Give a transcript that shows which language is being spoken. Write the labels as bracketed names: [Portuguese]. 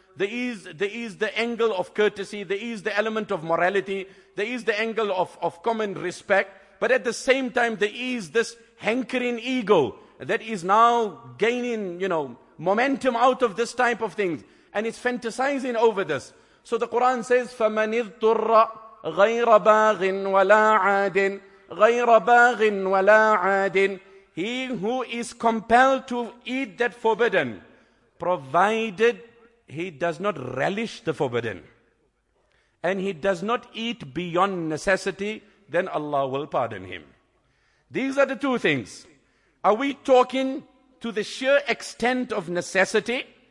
[English] There is the angle of courtesy. There is the element of morality. There is the angle of common respect. But at the same time, there is this hankering ego that is now gaining, you know, momentum out of this type of things. And it's fantasizing over this. So the Quran says, [Arabic] فَمَنِ اضْطُرَّ غَيْرَ بَاغٍ وَلَا عَادٍ غَيْرَ بَاغٍ وَلَا عَادٍ. [English] He who is compelled to eat that forbidden, provided he does not relish the forbidden, and he does not eat beyond necessity, then Allah will pardon him. These are the two things. Are we talking to the sheer extent of necessity?